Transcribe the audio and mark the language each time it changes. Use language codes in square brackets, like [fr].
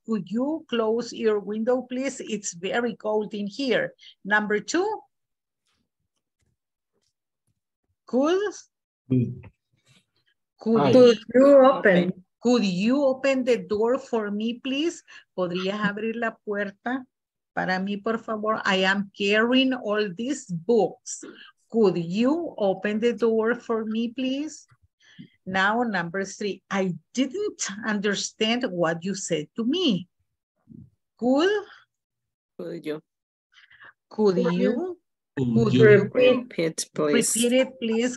[en] Could you close your window, please? It's very cold in here. Number two. Could? Could you open? Could you open the door for me, please? [es] ¿Podrías abrir la puerta para mí, por favor? [en] I am carrying all these books. Could you open the door for me, please? Now, number three. I didn't understand what you said to me. Could you repeat it, please?